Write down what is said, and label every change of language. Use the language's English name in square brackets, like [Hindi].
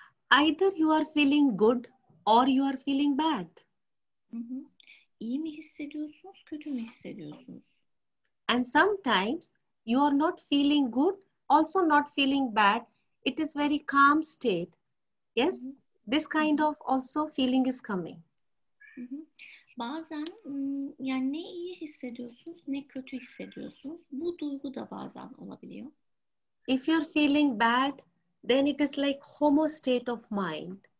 [English] Either you are feeling good or you are feeling bad. [Turkish] düşünebilirsiniz. İyi mi hissediyorsunuz, kötü mü hissediyorsunuz? [English] And sometimes you are not feeling good, also not feeling bad. It is very calm state. Yes, this kind of also feeling is coming. [Turkish] Bazen yani ne iyi hissediyorsunuz, ne kötü hissediyorsunuz. Bu duygu da bazen olabiliyor. [English] If you're feeling bad, then it is like homo state of mind.